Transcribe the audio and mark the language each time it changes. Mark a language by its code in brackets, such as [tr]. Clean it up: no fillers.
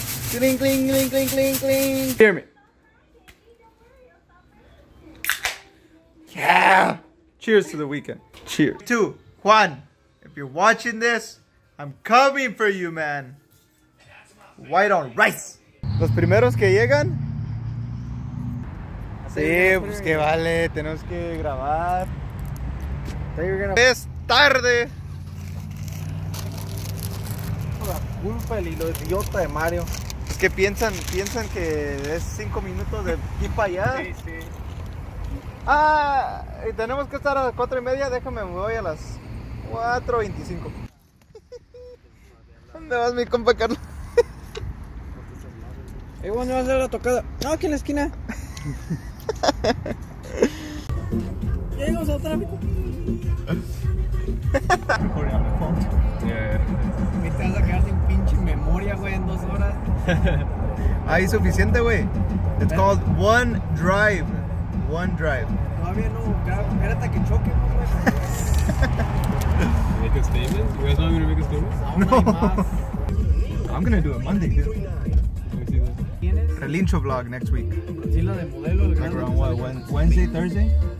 [en] Cling, cling, cling, cling, cling, cling. Hear me. Yeah! Cheers to the weekend. Cheers. Two. Juan, if you're watching this, I'm coming for you, man. White on rice. [es] Los primeros que llegan. Sí, pues que vale, tenemos que grabar. Es tarde. La culpa del hilo idiota de Mario. Es que piensan que es 5 minutos de aquí para allá. Sí, sí. Ah, y tenemos que estar a las 4:30. Déjame, me voy a las 4:25. ¿Dónde vas, mi compa Carlos? Ey, bueno, vas a dar la tocada. No, aquí en la esquina. Ya llegamos a otra. Me te vas a quedar sin pinche memoria, güey, en 2 horas. Ahí suficiente, güey. [en] It's called [es] One Drive. Todavía no, espérate que choque, güey. [en] Make a statement? You guys want me to make a statement? No. I'm gonna do it Monday, dude. Relincho vlog next week. Like around what, Wednesday, Thursday?